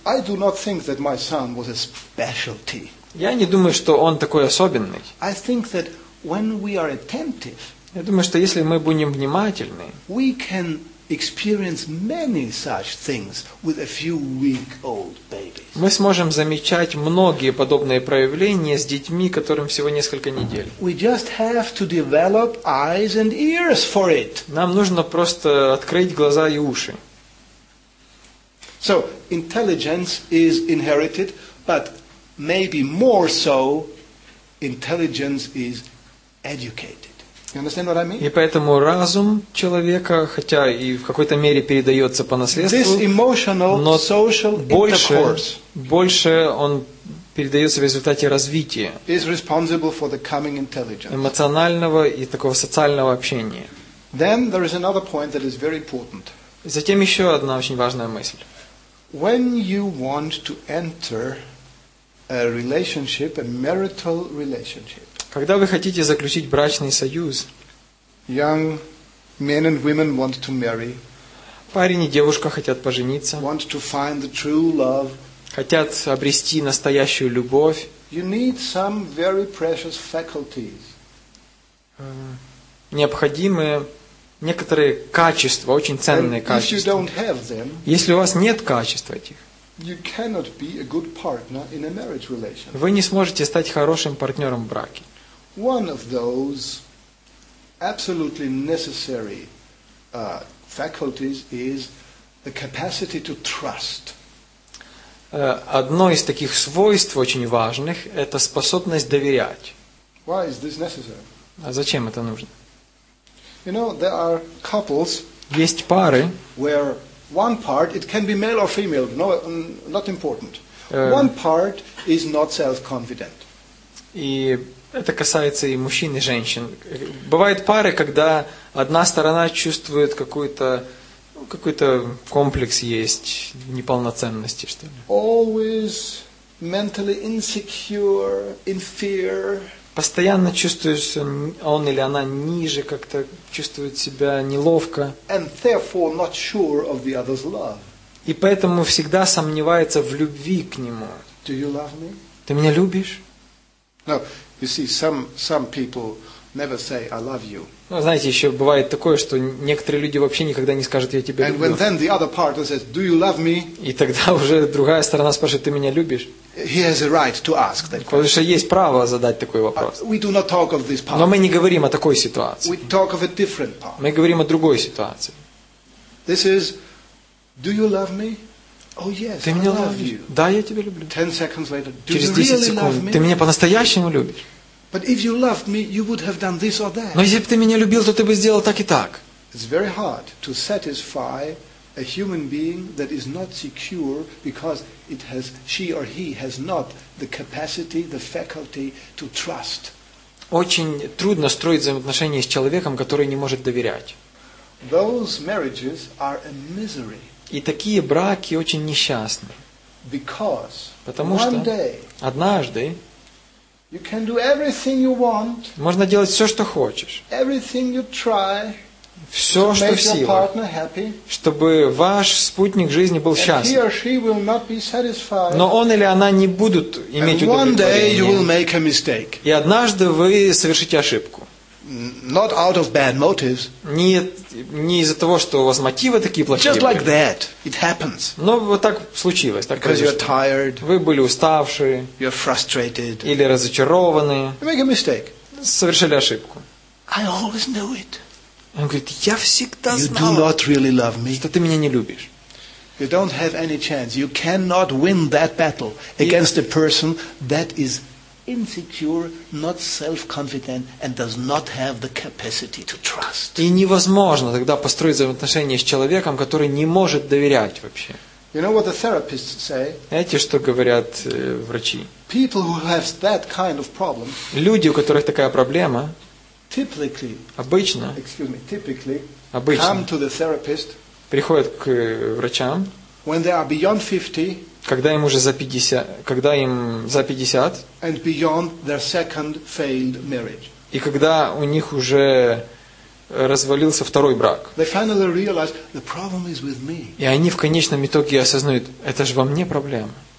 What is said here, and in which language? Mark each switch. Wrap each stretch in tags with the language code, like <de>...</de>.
<en>I do not think that my son was a specialty.</en> <ru>Я не думаю, что он такой особенный.</ru> <en>I think that when we are attentive,</en> <ru>я думаю, что если мы будем внимательны,</ru> <en>we can experience many such things with a few week old babies.</en> <ru>Мы сможем замечать многие подобные проявления с детьми, которым всего несколько недель.</ru> <en>We just have to develop eyes and ears for it.</en> <ru>Нам нужно просто открыть глаза и уши.</ru> <en>So, intelligence is inherited, but maybe more so, intelligence is educated. You understand what I mean?</en> <ru>И поэтому разум человека, хотя и в какой-то мере передается по наследству,</ru> <en>this emotional,</en> <ru>но</ru> <en>social intercourse,</en> <ru>больше он передается в результате развития,</ru> <en>is responsible for the coming intelligence,</en> <ru>эмоционального и такого социального общения.</ru> <en>Then there is another point that is very important.</en> <ru>Затем еще одна очень важная мысль.</ru> <en>When you want to enter a relationship, a marital relationship,</en> <ru>когда вы хотите заключить брачный союз,</ru> <en>young men and women want to marry,</en> <ru>парень и девушка хотят пожениться,</ru> <en>want to find the true love,</en> <ru>хотят обрести настоящую любовь,</ru> <en>you need some very precious faculties.</en> <ru>Необходимы некоторые качества, очень ценные качества.</ru> <en>If you don't have them,</en> <ru>если у вас нет качеств этих,</ru> <en>you cannot be a good partner in a marriage relationship.</en> <ru>Вы не сможете стать хорошим партнером в браке.</ru> <en>One of those absolutely necessary faculties is the capacity to trust.</en> <ru>Одно из таких свойств очень важных – это способность доверять.</ru> <en>Why is this necessary?</en> <ru>А зачем это нужно?</ru> <en>You know, there are couples.</en> <ru>Есть пары.</ru> <en>Where one part, it can be male or female, no, not important. One part is not self-confident.</en> <ru>И это касается и мужчин, и женщин. Бывают пары, когда одна сторона чувствует какой-то комплекс есть, неполноценности, что ли.</ru> <en>Always mentally insecure, in fear.</en> <ru>Постоянно чувствует, он или она ниже, как-то чувствует себя неловко.</ru> <en>And therefore not sure of the other's love.</en> <ru>И поэтому всегда сомневается в любви к нему.</ru> <en>Do you love me?</en> <ru>Ты меня любишь?</ru> <en>No. You see, some people never say I love you.</en> <ru>Ну, знаете, еще бывает такое, что некоторые люди вообще никогда не скажут я тебя люблю.</ru> <en>And then the other part says, do you love me?</en> <ru>И тогда уже другая сторона спрашивает, ты меня любишь?</ru> <en>He has a right to ask that.</en> <ru>Потому что есть право задать такой вопрос.</ru> <en>We do not talk of this part.</en> <ru>Но мы не говорим о такой ситуации.</ru> <en>We talk of a different part.</en> <ru>Мы говорим о другой ситуации.</ru> <en>This is, do you love me? Oh yes.</en> <ru>Ты меня любишь? Да, я тебя люблю.</ru> <en>10 seconds later, do</en> <ru>через 10 секунд, ты меня по-настоящему любишь?</ru> <en>But if you loved me, you would have done this or that.</en> <ru>Но если бы ты меня любил, то ты бы сделал так и так.</ru> <en>It's very hard to satisfy a human being that is not secure because it has she or he has not the capacity, the faculty to trust.</en> <ru>Очень трудно строить взаимоотношения с человеком, который не может доверять.</ru> <en>Those marriages are a misery.</en> <ru>И такие браки очень несчастны.</ru> <en>Because</en> <ru>потому что однажды</ru> <en>you can do everything you want.</en> <ru>Можно делать все, что хочешь.</ru> <en>Everything you try.</en> <ru>Все, что в силах, чтобы ваш спутник жизни был счастлив. Но он или она не будут иметь удовлетворение. И однажды вы совершите ошибку.</ru> <en>Not out of bad motives.</en> <ru>Не из-за того, что у вас мотивы такие плохие.</ru> <en>Just like that, it happens.</en> <ru>Но вот так случилось, так произошло.</ru> <en>Because you're tired.</en> <ru>Вы были уставшие.</ru> <en>You're frustrated.</en> <ru>Или разочарованные.</ru> <en>You make a mistake.</en> <ru>Совершили ошибку.</ru> <en>I always knew it.</en> <ru>Он говорит, я всегда знал.</ru> <en>You do not really love me.</en> <ru>Что ты меня не любишь.</ru> <en>You don't have any chance. You cannot win that battle against a person that is insecure, not self-confident, and does not have the capacity to trust.</en> <ru>И невозможно тогда построить взаимоотношения с человеком, который не может доверять вообще.</ru> <en>You know what the therapists say?</en> <ru>Знаете, что говорят врачи?</ru> <en>People who have that kind of problem.</en> <ru>Люди, у которых такая проблема.</ru> <en>Typically.</en> <ru>Обычно.</ru> <en>Excuse me. Typically.</en> <ru>Обычно.</ru> <en>Come to the therapist.</en> <ru>Приходят к врачам.</ru> <en>When they are beyond 50.</en> <ru>Когда им уже за 50, когда им за 50,</ru> <en>and beyond their second failed marriage.</en> <ru>И когда у них уже развалился второй брак,</ru> <en>they finally realize the problem is with me.</en> <ru>И они в конечном итоге осознают, это же во мне проблема.</ru>